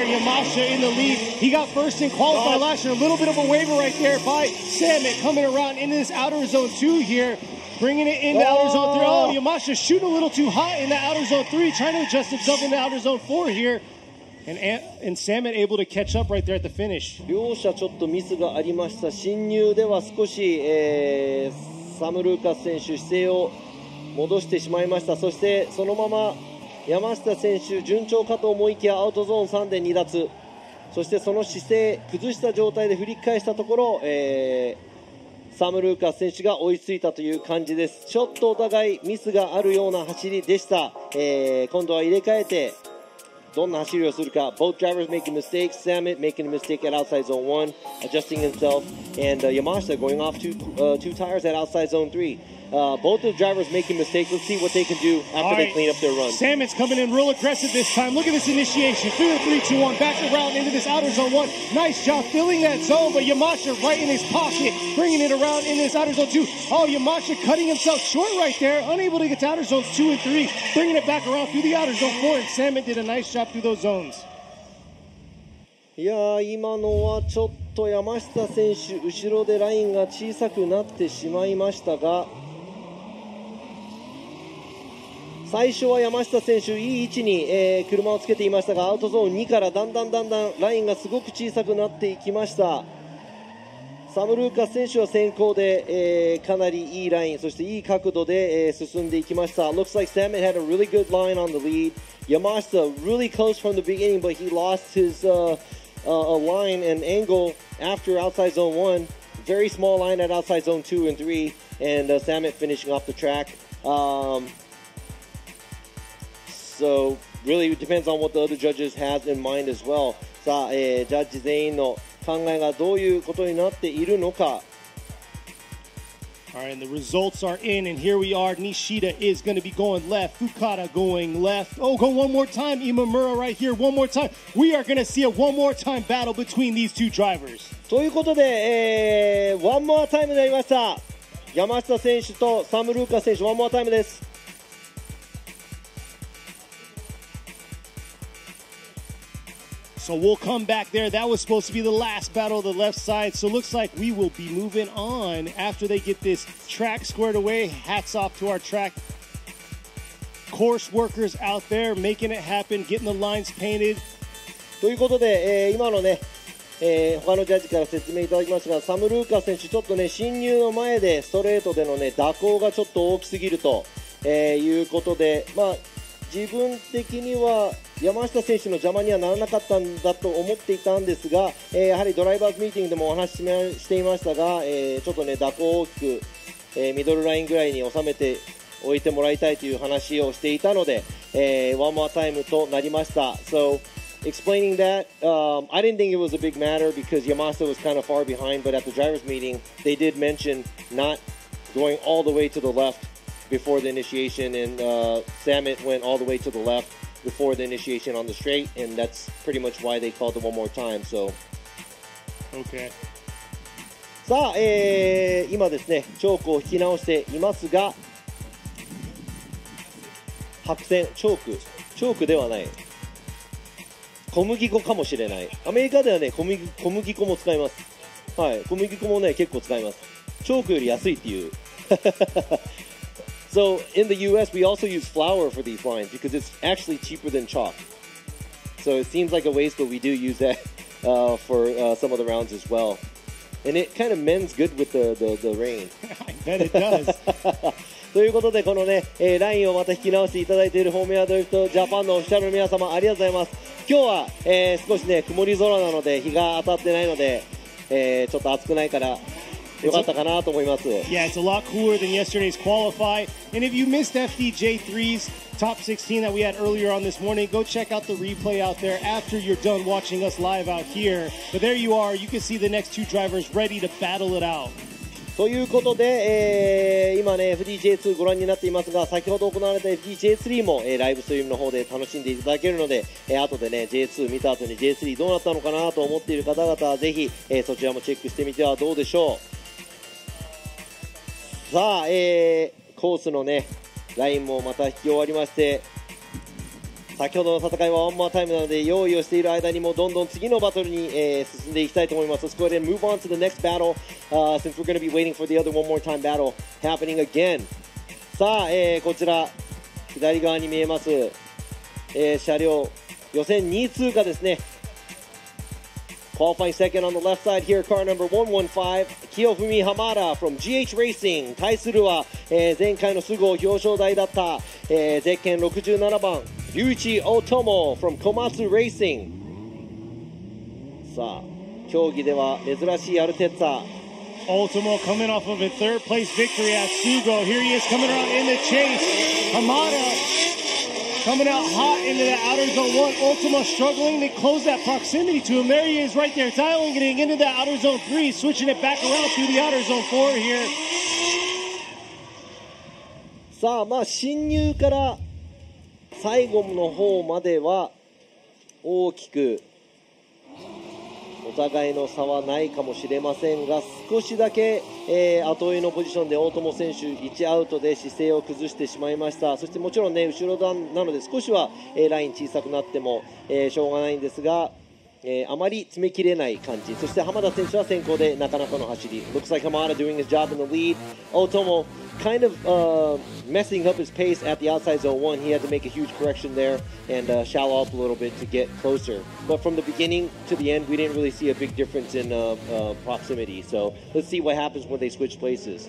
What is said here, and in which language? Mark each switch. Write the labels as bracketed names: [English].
[English] Yamashita in the lead. He got first in qualify last year. A little bit of a waiver right there by Samet coming around into this outer zone two here. Bringing it into outer zone three. Oh, Yamashita shooting a little too hot in the outer zone three. Trying to adjust himself into outer zone four here. And Samet able to catch up right there at the finish. [Japanese] 両者ちょっとミスがありました。進入では少し、サムルーカス選手姿勢を戻してしまいました。そしてそのまま山下選手順調かと思いきやアウトゾーン3で離脱、そしてその姿勢崩した状態で振り返したところ、サム・ルーカス選手が追いついたという感じです。ちょっとお互いミスがあるような走りでした。今度は入れ替えてどんな走りをするか。 [English] Both drivers making mistakes. Samit making a mistake at outside zone 1, adjusting himself. And Yamashita going off two tires at outside zone 3. Both of the drivers making mistakes. Let's see what they can do after right. they clean up their run. Samit's coming in real aggressive this time. Look at this initiation. 3-2-1. Back around into this outer zone 1. Nice job filling that zone, but Yamashita right in his pocket, bringing it around in this outer zone 2. Oh, Yamashita cutting himself short right there, unable to get to outer zones 2 and 3, bringing it back around through the outer zone 4, and Samit did a nice job through those zones. [Japanese] Yeah, 今のはちょっと山下選手後ろでラインが小さくなってしまいましたが、最初は山下選手いい位置に車をつけていましたが、アウトゾーン2からだんだんだんだんラインがすごく小さくなっていきました。サムルーカス選手は先行で、かなりいいライン、そしていい角度で、進んでいきました。 [English] Looks like Samit had a really good line on the lead. Yamashita really close from the beginning, but he lost his line and angle after outside zone 1. Very small line at outside zone 2 and 3, and Samit finishing off the track. So really it depends on what the other judges have in mind as well. [Japanese] さあ、ジャッジ全員の考えがどういうことになっているのか。 [English] All right, the results are in, and here we are. Nishida is going to be going left. Fukada going left. Oh, go one more time. Imamura right here. One more time. We are going to see a one more time battle between these two drivers. [Japanese] ということで、 [English] one more time [Japanese] になりました。山下選手とサムルーカ選手、 [English] one more time [Japanese] です。 [English] So we'll come back there. That was supposed to be the last battle of the left side. So looks like we will be moving on after they get this track squared away. Hats off to our track course workers out there making it happen, getting the lines painted. [Japanese] ということで、今のね、他のジャッジから説明いただきましたが、サムルーカ選手ちょっとね、進入の前でストレートでのね、蛇行がちょっと大きすぎると、いうことで、まあ自分的には山下選手の邪魔にはならなかったんだと思っていたんですが、やはりドライバーズミーティングでもお話ししていましたが、ちょっとね蛇行を大きく、ミドルラインぐらいに収めておいてもらいたいという話をしていたので、ワンモアタイムとなりました。 [English] So explaining that、I didn't think it was a big matter because Yamashita was kind of far behind, but at the driver's meeting they did mention not going all the way to the leftbefore the initiation, and Samit went all the way to the left before the initiation on the straight, and that's pretty much why they called it one more time. So, okay. [Japanese] さあ、今ですね、チョークを引き直していますが、白線、チョークではない。小麦粉かもしれない。アメリカではね、小麦粉も使います。はい、小麦粉もね、結構使います。チョークより安いっていう。 [English] So in the US, we also use flour for these lines because it's actually cheaper than chalk. So it seems like a waste, but we do use that for some of the rounds as well. And it kind of mends good with the rain. I bet it does. [Japanese] ということで、このね、ラインをまた引き直していただいているホームヤードリフトジャパンのオフィシャルの皆様、ありがとうございます。今日は、少しね、曇り空なので日が当たってないので、ちょっと暑くないから、よかったかなと思います。 [English] Yeah, it's a lot cooler than yesterday's qualify. And if you missed FDJ3's top 16 that we had earlier on this morning, go check out the replay out there after you're done watching us live out here. But there you are, you can see the next two drivers ready to battle it out. [Japanese] ということで、今ね FDJ2 ご覧になっていますが、先ほど行われた FDJ3 も、ライブストリームの方で楽しんでいただけるので、後でね J2 見た後に J3 どうなったのかなと思っている方々はぜひ、そちらもチェックしてみてはどうでしょう。さあ、コースのねラインもまた引き終わりまして、先ほどの戦いはワンモアタイムなので、用意をしている間にもどんどん次のバトルに、進んでいきたいと思います。 [English] Let's go ahead and move on to the next battle、since we're going to be waiting for the other one more time battle happening again. [Japanese] さあ、こちら左側に見えます、車両予選2位通過ですね。 [English] Qualifying second on the left side here, car number 115, Kiyofumi Hamada from GH Racing. [Japanese] 対するは、前回の総合表彰台だった、ゼッケン67番Yuichi Otomo [English] from Komatsu Racing. [Japanese] さあ、競技では珍しいアルテッツァ。 [English] Otomo coming off of a third place victory at Sugo. Here he is coming around in the chase. Hamada coming out hot into the outer zone one. Ultima struggling to close that proximity to him. There he is right there. Dialing getting into the outer zone three, switching it back around through the outer zone four here. [Japanese] さあ、まあ侵入から最後の方までは大きくお互いの差はないかもしれませんが、少しだけ、後追いのポジションで大友選手1アウトで姿勢を崩してしまいました。そしてもちろんね、後ろ段なので少しは、ライン小さくなっても、しょうがないんですが、あまり詰め切れない感じ。そして浜田選手は先行でなかなかの走り。 [English] Looks like Hamada doing his job in the lead. Otomo kind of、messing up his pace at the outside zone one. He had to make a huge correction there and、shallow up a little bit to get closer. But from the beginning to the end, we didn't really see a big difference in proximity. So let's see what happens when they switch places.